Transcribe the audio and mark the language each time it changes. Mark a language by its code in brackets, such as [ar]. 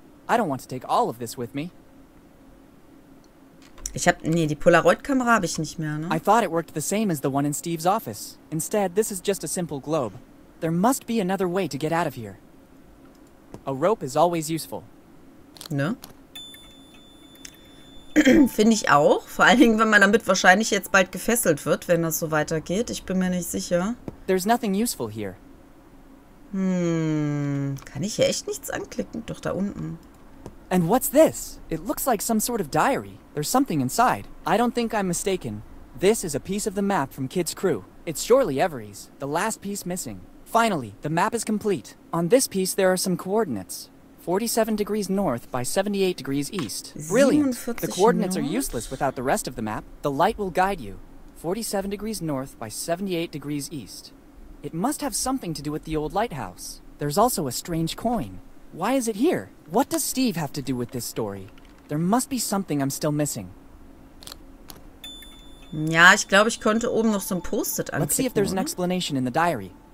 [en] I don't want to take all of this with me. [de] Ich hab, nee, die Polaroid-Kamera habe ich nicht mehr, ne? [en] I thought it worked the same as the one in Steve's office. Instead, this is just a simple globe. There must be another way to get out of here. A rope is always useful. [de] Ne? Finde ich auch. Vor allen Dingen, wenn man damit wahrscheinlich jetzt bald gefesselt wird, wenn das so weitergeht. Ich bin mir nicht sicher. [en] There's nothing useful here. [de] Hm, kann ich hier echt nichts anklicken? Doch da unten. [en] And what's this? It looks like some sort of diary. There's something inside. I don't think I'm mistaken. This is a piece of the map from Kid's crew. It's surely Every's, the last piece missing. Finally, the map is complete. On this piece, there are some coordinates. 47 degrees north by 78 degrees east. Brilliant. The coordinates north? Are useless without the rest of the map. The light will guide you. 47 degrees north by 78 degrees east. It must have something to do with the old lighthouse. There's also a strange coin. Why is it here? What does Steve have to do with this story? There must be something I'm still missing. [de] Ja, ich glaube, ich konnte oben noch so ein Post-it anklicken. [en] Let's see if there's an explanation in the diary.